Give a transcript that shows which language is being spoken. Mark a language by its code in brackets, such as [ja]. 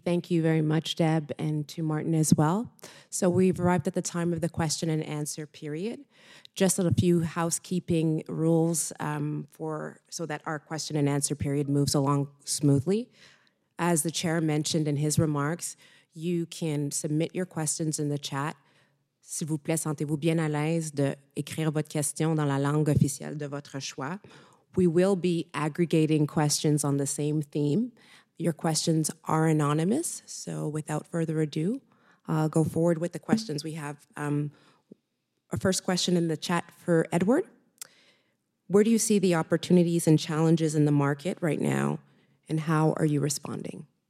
[en] Thank you very much, Deb, and to Martin as well. So we've arrived at the time of the question and answer period. Just a few housekeeping rules so that our question and answer period moves along smoothly. As the chair mentioned in his remarks, you can submit your questions in the chat. [fr] S'il vous plaît, sentez-vous bien à l'aise de écrire votre question dans la langue officielle de votre choix. [en] We will be aggregating questions on the same theme. Your questions are anonymous, so without further ado, I'll go forward with the questions. We have a first question in the chat for Edward. Where do you see the opportunities and challenges in the market right now, and how are you responding?